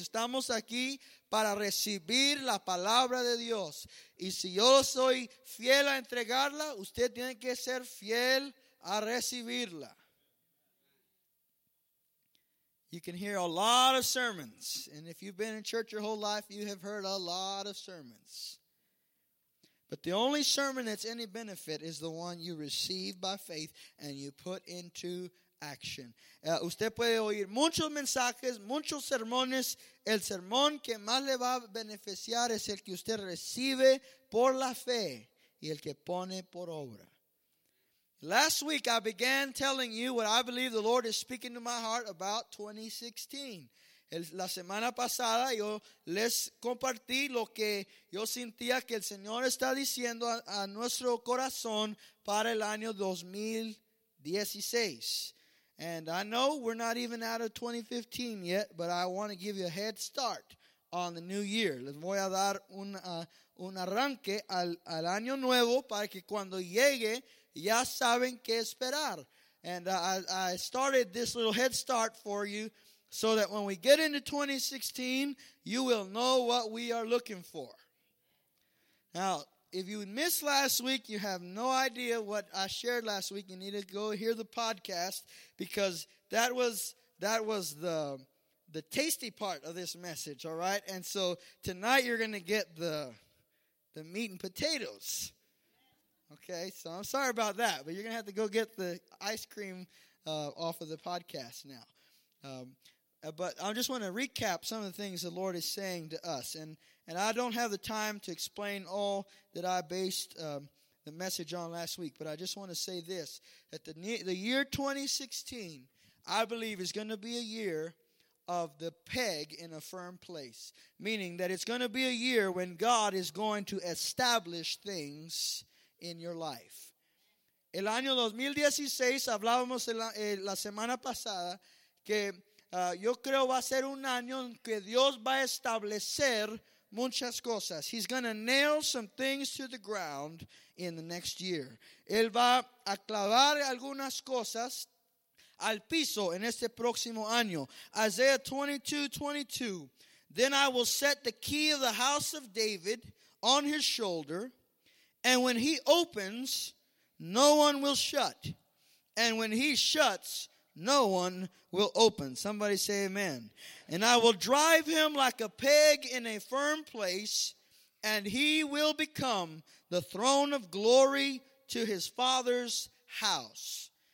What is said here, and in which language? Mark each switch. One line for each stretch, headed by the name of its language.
Spanish: Estamos aquí para recibir la palabra de Dios. Y si yo soy fiel a entregarla, usted tiene que ser fiel a recibirla.
English: You can hear a lot of sermons. And if you've been in church your whole life, you have heard a lot of sermons. But the only sermon that's any benefit is the one you receive by faith and you put into action.
Spanish: Usted puede oír muchos mensajes, muchos sermones. El sermón que más le va a beneficiar es el que usted recibe por la fe y el que pone por obra.
English: Last week I began telling you what I believe the Lord is speaking to my heart about 2016.
Spanish: La semana pasada yo les compartí lo que yo sentía que el Señor está diciendo a nuestro corazón para el año 2016.
English: And I know we're not even out of 2015 yet, but I want to give you a head start on the new year.
Spanish: Les voy a dar un arranque al año nuevo para que cuando llegue ya saben qué esperar.
English: And I started this little head start for you, so that when we get into 2016, you will know what we are looking for. Now, if you missed last week, you have no idea what I shared last week. You need to go hear the podcast, because that was the tasty part of this message, all right? And so tonight you're going to get the meat and potatoes. Okay, so I'm sorry about that, but you're going to have to go get the ice cream off of the podcast now. But I just want to recap some of the things the Lord is saying to us. And And I don't have the time to explain all that I based the message on last week, but I just want to say this, that the year 2016, I believe, is going to be a year of the peg in a firm place, meaning that it's going to be a year when God is going to establish things in your life.
Spanish: El año 2016, hablábamos la semana pasada, que yo creo va a ser un año en que Dios va a establecer muchas cosas.
English: He's going to nail some things to the ground in the next year.
Spanish: Él va a clavar algunas cosas al piso en este próximo año.
English: Isaiah 22:22. Then I will set the key of the house of David on his shoulder, and when he opens, no one will shut. And when he shuts, no one will open. Somebody say amen. And I will drive him like a peg in a firm place, and he will become the throne of glory to his father's house.